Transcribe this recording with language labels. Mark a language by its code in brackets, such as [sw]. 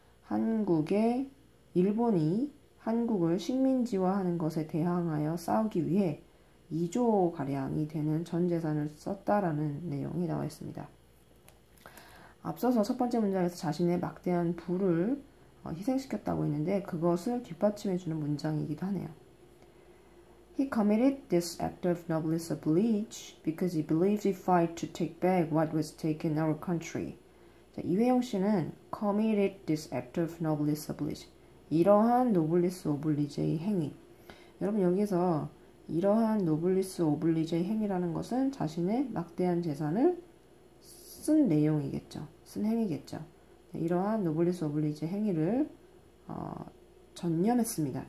[ko] 한국의 일본이 한국을 식민지화하는 것에 대항하여 싸우기 위해 2조 가량이 되는 전 재산을 썼다라는 내용이 나와 있습니다. 앞서서 첫 번째 문장에서 자신의 막대한 부를 희생시켰다고 했는데 그것을 뒷받침해주는 문장이기도 하네요. [en] He committed this act of noblesse oblige because he believed he fought to take back what was taken our country. 자, 이회영 씨는 committed this act of noblesse oblige. [ko] 이러한 노블리스 오블리제의 행위. 여러분 여기서 이러한 노블리스 오블리제의 행위라는 것은 자신의 막대한 재산을 쓴 내용이겠죠. 쓴 행위겠죠. 이러한 노블리스 오블리제 행위를 전념했습니다.